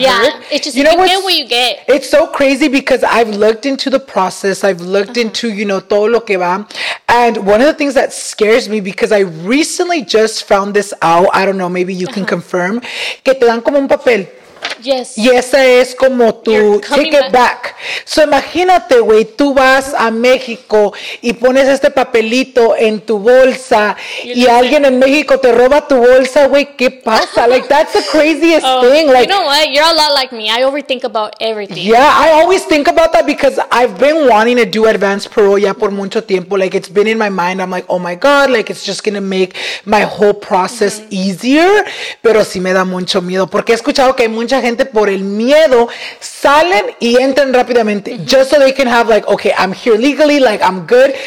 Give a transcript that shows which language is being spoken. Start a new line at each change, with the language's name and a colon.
English: Yeah, it's just, you get what you get. It's so crazy because I've looked into the process. I've looked into, you know,
Spanish: todo lo que va.
English: And one of the things that scares me, because I recently just found this out, I don't know, maybe you can confirm,
Spanish: que te dan como un papel.
English: Yes.
Spanish: Y esa es como tu
English: ticket back.
Spanish: So imagínate, güey, tú vas a México y pones este papelito en tu bolsa y alguien en México te roba tu bolsa, güey, ¿qué pasa?
English: Like, that's the craziest thing. Like, you know what? You're a lot like me. I overthink about everything. Yeah, I always think about that because I've been wanting to do advanced parole
Spanish: ya por mucho tiempo.
English: Like, it's been in my mind. I'm like, oh my God, like, it's just going to make my whole process easier.
Spanish: Pero sí me da mucho miedo porque he escuchado que hay mucha gente por el miedo salen y entran rápidamente
English: just so they can have like, okay, I'm here legally, like I'm good.